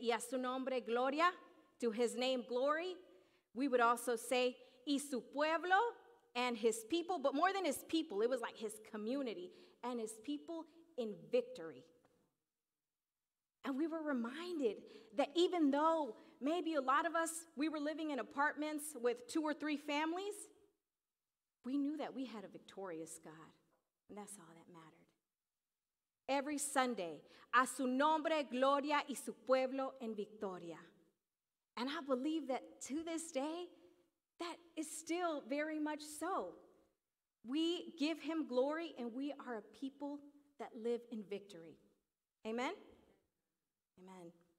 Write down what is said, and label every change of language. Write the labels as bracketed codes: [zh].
[es] Y a su nombre, gloria, [en] to his name, glory. We would also say, [es] y su pueblo, [en] and his people, but more than his people, it was like his community and his people in victory. And we were reminded that even though maybe a lot of us, we were living in apartments with two or three families, we knew that we had a victorious God, and that's all that mattered. Every Sunday, [es] a su nombre, gloria, y su pueblo en victoria. [en] And I believe that to this day, that is still very much so. We give him glory, and we are a people that live in victory. Amen? Amen.